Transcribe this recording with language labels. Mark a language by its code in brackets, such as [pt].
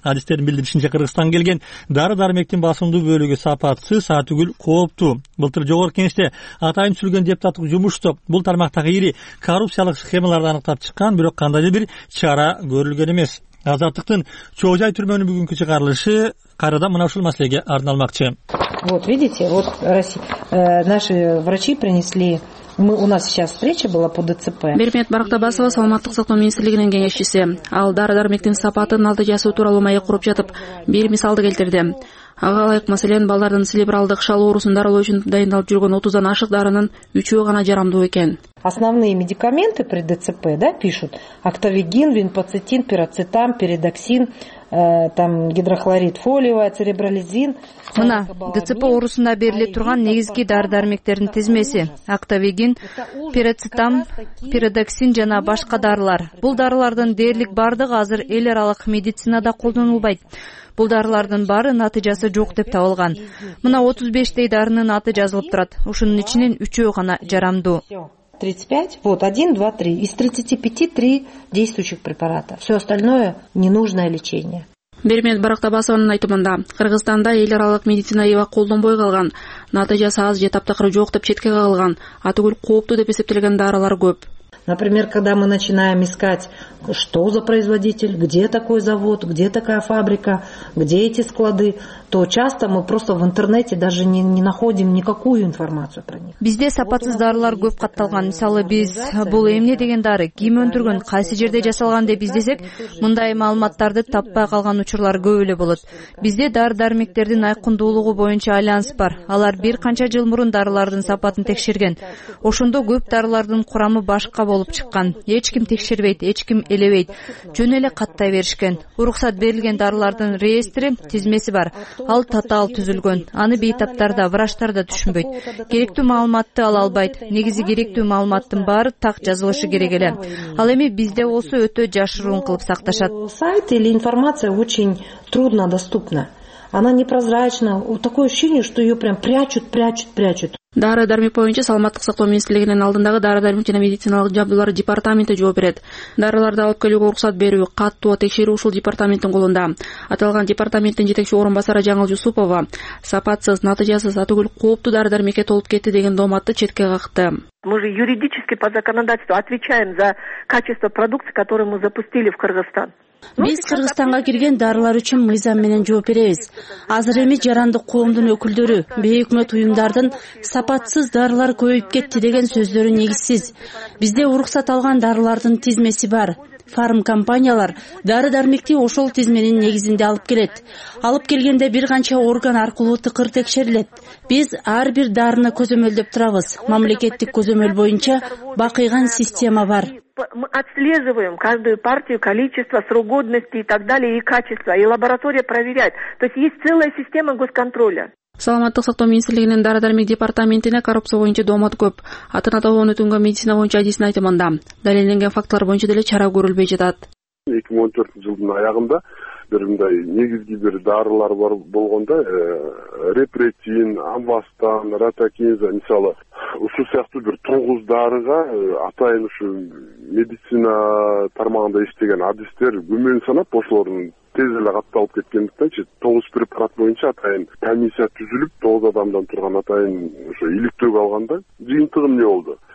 [ky] Адистердин билдиришинче Кыргызстан келген дары дармектин басымдуу бөлүгү сапатсыз, а түгүл кооптуу. Былтыр жогорку кеңеште атайын түзүлгөн депутаттык жумуштоп бул тармактагы ири коррупциялык схемаларды аныктап чыккан, бирок кандайдыр бир чара көрүлгөн эмес. Азаттыктын Чоо Жай түрмөнүн бүгүнкү чыгарылышы кайрадан мына ушул маселеге арналмакчы. [ru] Вот видите, вот наши врачи принесли. У нас сейчас встреча была по ДЦП. [ky] Бермет Барактабасова, саламаттык сактоо министрлигинин кеңешчиси. Ал дары-дармектин сапатын алдыжасуу тууралуу маек куруп жатып, бир мисалды келтирди. Ага ылайык, маселен, балдардын селебралдык шал оорусун дарылоо үчүн дайындалып жүргөн 30 ашык дарынын 3 гана жарамдуу экен. [ru] Основные медикаменты при ДЦП, да, пишут: октавигин, винпоцетин, пирацетам, пиридоксин, там гидрохлорид фолиевая, церебролизин. [ky] Мына ДЦП оорусунда бериле турган негизги дары-дармектердин тизмеси: октавигин, пирацетам, пиридоксин жана башка дарылар. Бул дарылардын дээрлик бардыгы азыр эл аралык медицинада колдонулбайт. Бул дарылардын баары натыйжасы жок деп табылган. Мына 35 дарынын аты жазылып турат. Ушунун ичинен 3 гана жарамдуу. [ru] 35, вот 1, 2, 3. Из 35 3 действующих препарата. Все остальное ненужное лечение. [ky] Бермет Барактабасованын айтымында, Кыргызстанда эл аралык медицина ИВА колдонбой калган, натыйжасы аз же таптакыры жок деп четке кагылган, атүгүл кооптуу деп эсептелген дарылар көп. [ru] Например, когда мы начинаем искать, что за производитель, где такой завод, где такая фабрика, где эти склады, то часто мы просто в интернете даже не находим никакую информацию про них. [ky] Бизде сапатсыз дарылар көп катталган. Мисалы, биз бул эмне деген дары, ким өндүргөн, кайсы жерде жасалган деп издесек, мындай маалыматтарды таппай калган учурлар көп эле болот. Бизде дары-дармектердин айкындуулугу боюнча альянс бар. Алар бир канча жыл мурун дарылардын сапатын текшерген. Ошондо көп дарылардын курамы башка болот. болуп чыккан. Эч ким текшербейт, эч ким элебейт. Жөн эле каттай беришкен. Уруксат берилген дарылардын реестри, тизмеси бар. Ал татаал түзүлгөн. Аны бейтаптар да, врачтар да түшүнбөйт. Керектүү маалыматты ала албайт. Негизи керектүү маалыматтын баары так жазылышы керек эле. Ал эми бизде болсо өтө жашыруун кылып сакташат. [ru] Сайт или информация очень трудно доступна. Она непрозрачна. Вот такое ощущение, что ее прям прячут. [ky] Дары-дармек боюнча саламаттык сактоо министрлигинин алдындагы дары-дармек жана медициналык жабдуулар департаменти жооп берет. Дарыларды алып келүүгө уруксат берүү, каттоо текшерүү ушул департаменттин колунда. Аталган департаменттин жетекчи орун басары Жаңыл Жусупова сапатсыз, натыйжасыз, атүгүл кооптуу дары-дармекке толуп кетти деген дооматты четке какты. [ru] Мы же юридически по законодательству отвечаем за качество продукции, которую мы запустили в Кыргызстан. [ky] Биз Кыргызстанга кирген дарылар үчүн мыйзам менен жооп беребиз. Азыр эми жарандык коомдун өкүлдөрү, бейөкмөт уюмдардын сапатсыз дарылар көбөйүп кетти деген сөздөрү негизсиз. Бизде уруксат алган дарылардын тизмеси бар. Фарм компаниялар дары-дармекти ошол тизменин негизинде алып келет. Алып келгенде бир канча орган аркылуу тыкыр текшерилет. Биз ар бир дарыны көзөмөлдөп турабыз. Мамлекеттик көзөмөл боюнча бакыйган система бар. [ru] Мы отслеживаем каждую партию, количество, срок годности и так далее, и качество, и лаборатория проверяет. То есть целая система госконтроля. [ky] Саламаттык сактоо министрлигинин дары-дармек департаментине коррупция боюнча доомат көп. Атын аталган өтүнгөн медицина боюнча адисин айтымында далилденген фактылар боюнча деле чара көрүлбөй жатат. 2014 жылдын аягында бир мындай негизги бир дарылар бар болгондо репретин, амбастан, ратакинза мисалы ушул сыяктуу бир 9 дарыга атайын ушул медицина тармагында иштеген адистер күмөн санап ошолордун тез эле катталып кеткендиктенчи 9 препарат боюнча атайын комиссия түзүлүп 9 адамдан турган атайын ошо иликтөөгө алганда жыйынтыгы эмне болду?